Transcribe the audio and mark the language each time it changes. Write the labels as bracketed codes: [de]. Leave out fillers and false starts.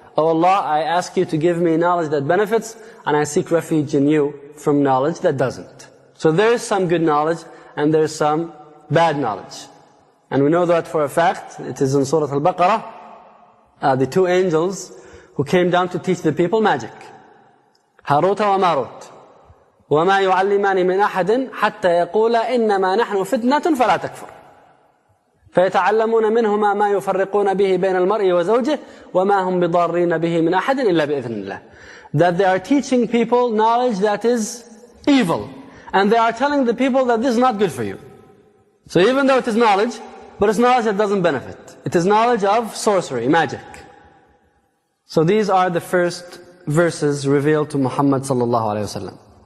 [en] Oh Allah, I ask you to give me knowledge that benefits, and I seek refuge in you from knowledge that doesn't. So there is some good knowledge, and there is some bad knowledge. And we know that for a fact. It is in Surah Al-Baqarah, the two angels who came down to teach the people magic. [ar] هاروت وماروت وما يعلمان من أحد حتى يقولا إنما نحن فتنة فلا تكفر فيتعلمون منهما ما يفرقون به بين المرء وزوجه وما هم بضارين به من أحد إلا بإذن الله. [en] That they are teaching people knowledge that is evil, and they are telling the people that this is not good for you. So even though it is knowledge, but it's knowledge that doesn't benefit. It is knowledge of sorcery, magic. So these are the first verses revealed to Muhammad sallallahu alaihi wasallam.